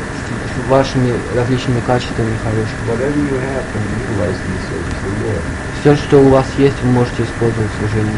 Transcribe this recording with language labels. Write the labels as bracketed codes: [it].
[ru] с вашими различными качествами хорошими. [en] Whatever you have can be utilized in the service of the Lord. [ru] Все, что у вас есть, вы можете использовать в служении